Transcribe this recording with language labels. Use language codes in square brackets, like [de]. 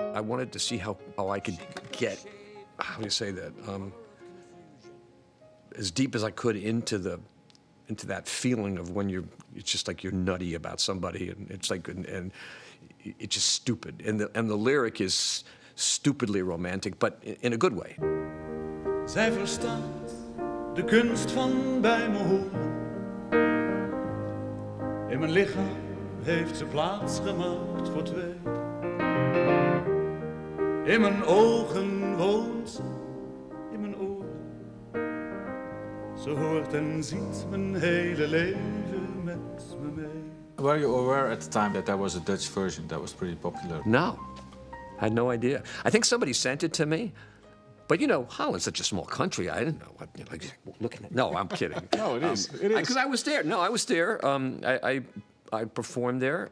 [en] I wanted to see how I could get, how do you say that, as deep as I could into that feeling of when it's just like you're nutty about somebody, and it's like, and it's just stupid. And the lyric is stupidly romantic, but in a good way. [nl] Zij verstaat de kunst van bij me horen. In mijn lichaam heeft ze plaats gemaakt voor twee. In mijn ogen woont ze. Ze hoort en ziet mijn hele leven met me mee. [en] Were you aware at the time that there was a Dutch version that was pretty popular? No. I had no idea. I think somebody sent it to me. But, you know, Holland's such a small country, I didn't know. No, I'm kidding. No, it is. It is. Because I was there. No, I was there. I performed there.